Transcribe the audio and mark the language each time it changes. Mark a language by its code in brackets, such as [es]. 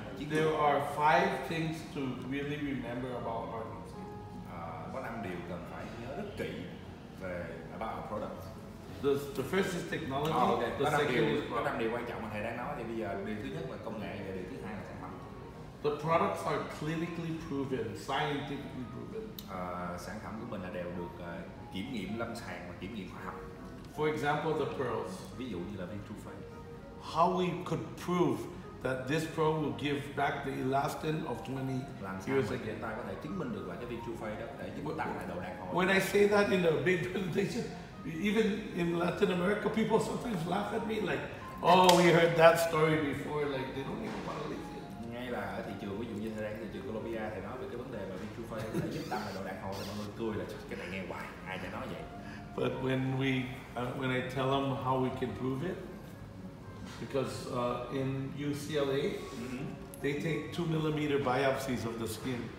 [en] there are five things to really remember about our business. [vi] Có năm điều cần phải nhớ rất kỹ về [en] about our products. The first is technology. Oh, okay. The second [vi] điều, [en] is product. [vi] Có năm điều quan trọng mà thầy đang nói thì bây giờ điều thứ nhất là công nghệ và điều thứ hai là sản phẩm. [en] The products are clinically proven, scientifically proven. [vi] Sản phẩm của mình là đều được kiểm nghiệm lâm sàng và kiểm nghiệm khoa học. [en] For example, the pearls. [vi] Ví dụ như là viên trung phái. [en] How we could prove that this pearl will give back the elastin of 20 years again? [vi] Làm sao mà hiện tại có thể chứng minh được là cái viên trung phái đó để chúng ta tặng lại đồ đàn hồi? [en] When I say that in a big presentation, even in Latin America, people sometimes laugh at me like, oh, we heard that story before, like they don't even want to listen. [vi] Ngay là ở thị trường, ví dụ như thời gian thị trường Colombia, thì nói về cái vấn đề mà viên trung phái có thể giúp tặng lại đồ đàn hồi, thì mọi người cười là cái này nghe hoài, ai đã nói vậy? [en] But when I tell them how we can prove it, because in UCLA, they take 2 millimeter biopsies of the skin.